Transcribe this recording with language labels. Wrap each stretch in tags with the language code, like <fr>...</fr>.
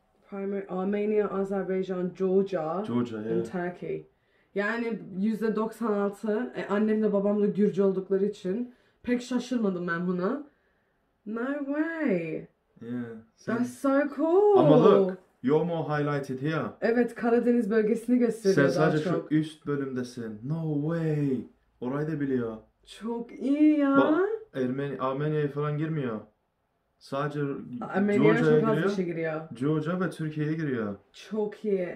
<en>Primary Armenia, Azerbaijan, Georgia, Georgia and yeah. Turkey.</en> <tr>Yani %96 annem de babam da Gürcü oldukları için pek şaşırmadım ben buna.</tr> <en>No way. Yeah. Same. That's so cool. Ama look, you're more highlighted here.</en> <tr>Evet, Karadeniz bölgesini gösteriyor daha çok. Sen sadece şu üst bölümdesin.</tr> <en>No way.</en> <tr>Orayı da biliyor. Çok iyi ya. Bak, Armenia'ya falan girmiyor. Sadece Georgia'ya giriyor. Georgia ve Türkiye'ye giriyor. Çok iyi.</tr>